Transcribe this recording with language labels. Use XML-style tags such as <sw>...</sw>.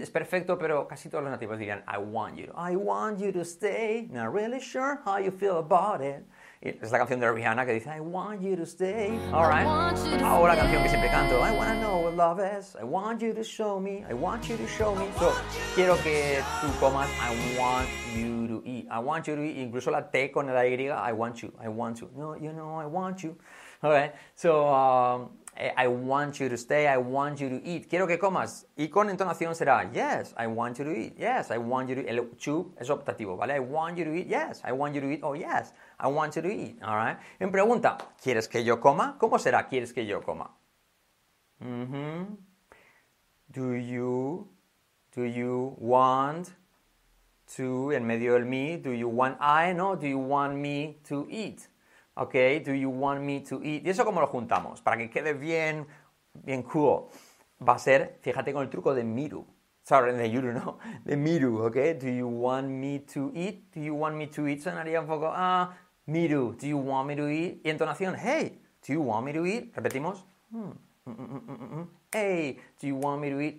<es>Es perfecto, pero casi todos los nativos dirían</es> <en>I want you to. I want you to stay. Not really sure how you feel about it.</en> <es>Y es la canción de Rihanna que dice</es> <en>I want you to stay.</en> <es>All right. Ahora la canción que siempre canto.</es> <en>I want to know what love is. I want you to show me. I want you to show me. So,</en> <es>quiero que tú comas.</es> <en>I want you to eat. I want you to eat.</en> <es>Incluso la T con la Y.</es> <en>I want you. I want you. No, you know, I want you. Okay, so I want you to stay, I want you to eat.</en> <es>Quiero que comas. Y con entonación será,</es> <en>yes, I want you to eat, yes, I want you to eat.</en> <es>El chu es optativo, ¿vale?</es> <en>I want you to eat, yes, I want you to eat, oh yes, I want you to eat, all right?</en> <es>En pregunta, ¿quieres que yo coma? ¿Cómo será, quieres que yo coma? Mm-hmm.</es> <en>Do you want to,</en> <es>en medio del me,</es> <en>do you want I, no, do you want me to eat? Okay, do you want me to eat?</en> <es>¿Y eso cómo lo juntamos? Para que quede bien, bien cool. Va a ser, fíjate con el truco de miru.</es> <en>Sorry,</en> <es>de yuru, ¿no? De miru,</es> <en>okay. Do you want me to eat? Do you want me to eat?</en> <es>Sonaría un poco, miru.</es> <en>Do you want me to eat?</en> <es>Y entonación,</es> <en>hey, do you want me to eat?</en> <es>Repetimos.</es> <en>Hey, do you want me to eat?</en>